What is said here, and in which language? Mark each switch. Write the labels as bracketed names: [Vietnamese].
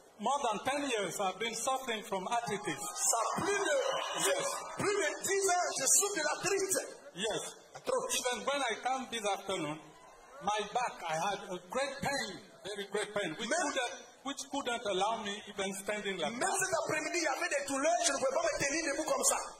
[English] More than 10 years, I've been suffering from arthritis. [French] Ça plus de 10 ans, je souffre de l'arthrite. [English] Yes. Even when I come this afternoon, my back, I had a great pain, very great pain. Which couldn't allow me even standing like [French] Même cet après-midi, il y avait des douleurs, je ne pouvais pas me tenir debout comme ça.